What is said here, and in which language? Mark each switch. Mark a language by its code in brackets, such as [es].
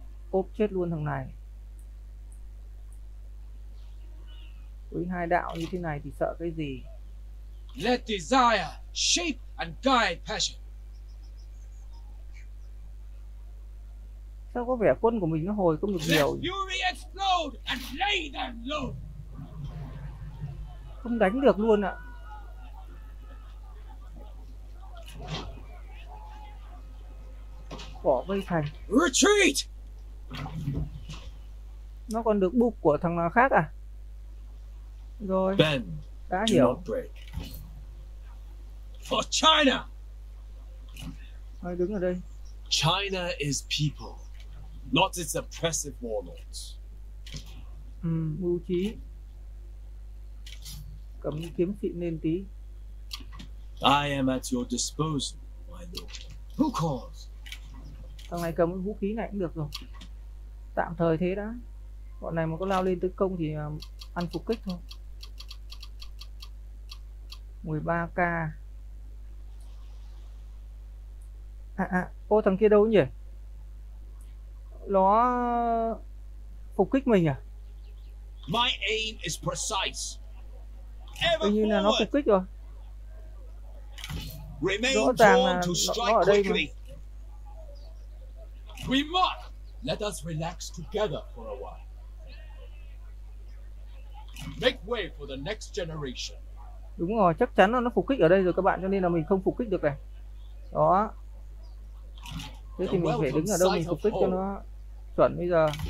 [vi] Ốp chết luôn thằng này. Với hai đạo như thế này thì sợ cái gì. [en] Let desire shape and guide passion. [vi] Sao có vẻ quân của mình nó hồi không được nhiều. [en] Let fury explode and lay them low. [vi] Không đánh được luôn ạ. Bỏ vây thành. [en] Retreat. [vi] Nó còn được bục của thằng nào khác à? Rồi. Ben, đã hiểu. [en] For China. [vi] Ai đứng ở đây? [en] China is people, not its oppressive warlords. [vi] Mưu trí. Cầm kiếm phịn lên tí. [en] I am at your disposal, my lord. Who calls? [vi] Thằng này cầm vũ khí này cũng được rồi. Tạm thời thế đã. Bọn này mà có lao lên tấn công thì ăn phục kích thôi. 13k. Ô thằng kia đâu nhỉ? Nó phục kích mình à? [en] My aim is precise. [vi] Ever như là nó phục kích rồi. [en] Remain drawn to strike quickly. We must let us relax together for a while. Make way for the next generation. [vi] Đúng rồi, chắc chắn là nó phục kích ở đây rồi các bạn, cho nên là mình không phục kích được này. Đó. Thế thì mình phải đứng ở đâu mình phục kích cho nó chuẩn bây giờ.